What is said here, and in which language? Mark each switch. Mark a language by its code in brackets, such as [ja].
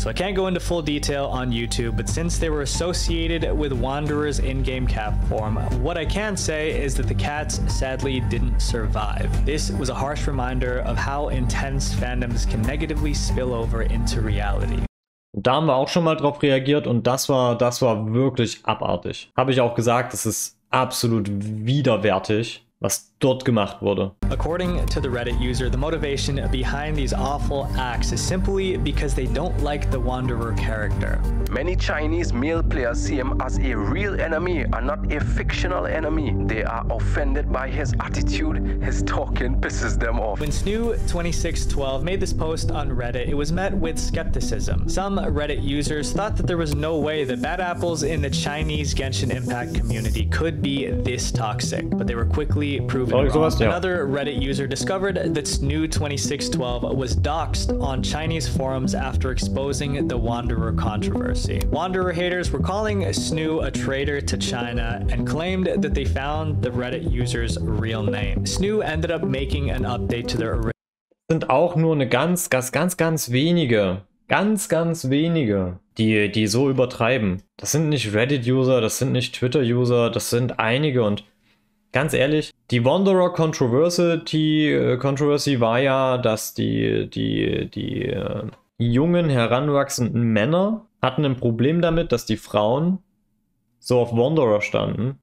[en] So I can't go into full detail on YouTube, but since they were associated with Wanderer's in-game cat form, what I can say is that the cats sadly didn't survive. This was a harsh reminder of how intense fandoms can negatively spill over into reality. [de] Da haben wir auch schon mal drauf reagiert und das war wirklich abartig. Habe ich auch gesagt, das ist absolut widerwärtig, was dort gemacht wurde. [en] According to the Reddit user, the motivation behind these awful acts is simply because they don't like the Wanderer character. Many Chinese male players see him as a real enemy and not a fictional enemy. They are offended by his attitude. His talking pisses them off. When Snoo2612 made this post on Reddit, it was met with skepticism. Some Reddit users thought that there was no way that bad apples in the Chinese Genshin Impact community could be this toxic, but they were quickly proven wrong. Another Reddit user discovered that Snoo2612 was doxxed on Chinese forums after exposing the Wanderer controversy. Wanderer haters were calling Snoo a traitor to China and claimed that they found the Reddit user's real name. Snoo ended up making an update to their original. [de] Sind auch nur eine ganz, ganz, ganz, ganz wenige Ganz, ganz wenige, die so übertreiben. Das sind nicht Reddit-User, das sind nicht Twitter-User, das sind einige. Und ganz ehrlich, die Wanderer Controversy war ja, dass die jungen, heranwachsenden Männer hatten ein Problem damit, dass die Frauen so auf Wanderer standen.